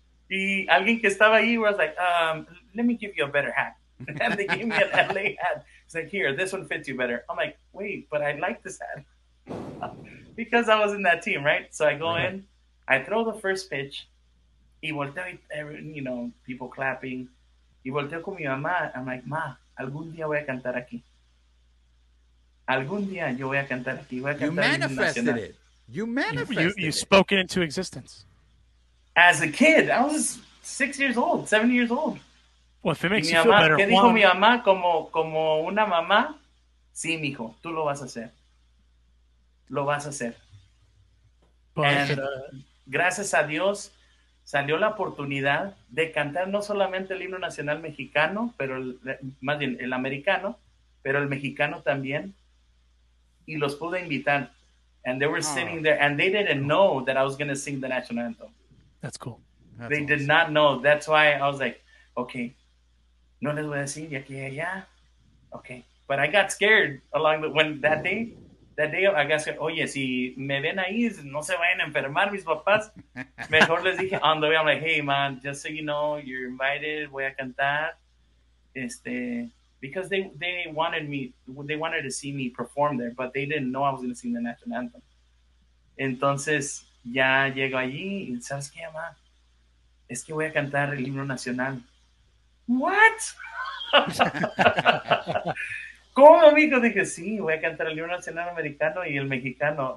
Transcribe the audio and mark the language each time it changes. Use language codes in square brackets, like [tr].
[es] Y alguien que estaba ahí [en] was like, let me give you a better hat. And they gave me an LA hat. It's like, here, this one fits you better. I'm like, wait, but I like this hat. Because I was in that team, right? So I go in, I throw the first pitch. [es] Y volteo, [en] you know, people clapping. [es] Y volteo con mi mamá. [en] I'm like, [es] ma, algún día voy a cantar aquí. Algún día yo voy a cantar aquí. Voy a cantar. [en] You manifested it. You manifested you, it. You spoke it into existence. As a kid, I was 6 years old, 7 years old. Well, if it makes you feel better, [es] ¿qué dijo mi mamá? Como una mamá, sí, mijo, tú lo vas a hacer. Lo vas a hacer. And gracias a Dios, salió la oportunidad de cantar no solamente el himno nacional mexicano, pero más bien el americano, pero el mexicano también. Y los pude invitar. [en] And they were sitting there, and they didn't know that I was going to sing the national anthem. That's cool. They did not know. That's why I was like, okay, [es] no les voy a decir, ya que ya. [en] Okay. But I got scared along the when that day, I got scared. [es] Oye, si me ven ahí, no se vayan a enfermar mis papás. Mejor les dije, [en] on the way, I'm like, hey, man, just so you know, you're invited, [es] voy a cantar. [en] Because they wanted to see me perform there, but they didn't know I was going to sing the national anthem. [es] Entonces, ya llego allí, y ¿sabes qué, mamá? Es que voy a cantar el himno nacional. What? ¿Cómo, amigo? Dije, sí, voy a cantar el himno nacional americano y el mexicano.